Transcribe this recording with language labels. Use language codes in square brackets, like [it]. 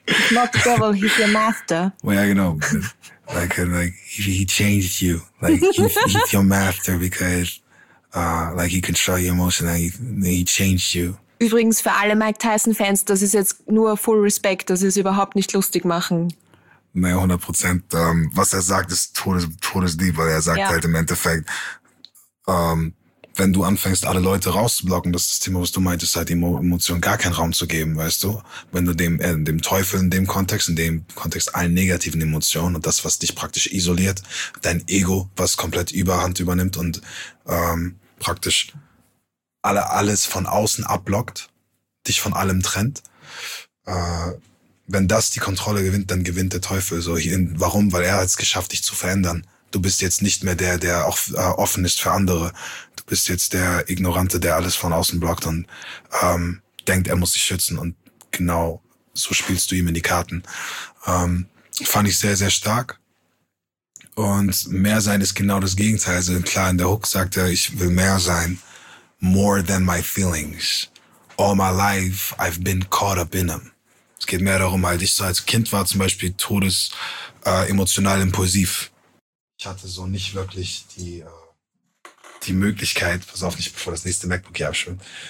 [en] Not the devil, he's your master. Well, yeah, you know, like he changed you, like he's your master because like he could show you emotion and he changed you. [de] Übrigens für alle Mike Tyson-Fans, das ist jetzt nur [en] full respect, [de] dass sie es überhaupt nicht lustig machen. Nee, 100%. Was er sagt, ist todesdeep, weil er sagt halt im Endeffekt, wenn du anfängst, alle Leute rauszublocken, das ist das Thema, was du meintest, halt die Emotion gar keinen Raum zu geben, weißt du? Wenn du dem Teufel in dem Kontext allen negativen Emotionen und das, was dich praktisch isoliert, dein Ego, was komplett Überhand übernimmt und praktisch alles von außen abblockt, dich von allem trennt, wenn das die Kontrolle gewinnt, dann gewinnt der Teufel. So, warum? Weil er hat es geschafft, dich zu verändern. Du bist jetzt nicht mehr der auch offen ist für andere. Du bist jetzt der Ignorante, der alles von außen blockt und denkt, er muss sich schützen. Und genau so spielst du ihm in die Karten. Fand ich sehr, sehr stark. Und mehr sein ist genau das Gegenteil. Also klar, in der Hook sagt er, ich will mehr sein. [en] More than my feelings. All my life I've been caught up in them. [de] Es geht mehr darum, halt, ich so als Kind war zum Beispiel todes emotional impulsiv. Ich hatte so nicht wirklich die Möglichkeit, pass auf, nicht bevor das nächste MacBook hier abschwimmt.